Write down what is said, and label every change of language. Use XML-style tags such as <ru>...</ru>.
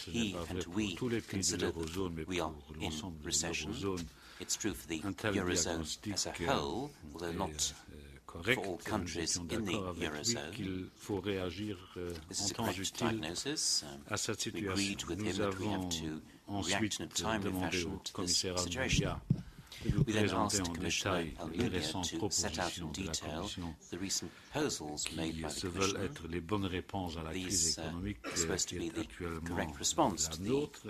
<fr>Ce n'est pas vrai pour tous les pays de l'eurozone, mais pour l'ensemble de l'eurozone.</fr> <en>It's true for the eurozone as a whole, although not correct, for all countries in the eurozone.</en> <fr>Qu'il faut réagir en temps utile à cette situation. Nous avons ensuite demandé au commissaire Almunia de nous présenter en détail les récentes propositions de la Commission qui se veulent être les bonnes réponses à la crise économique qui est actuellement la nôtre.</fr>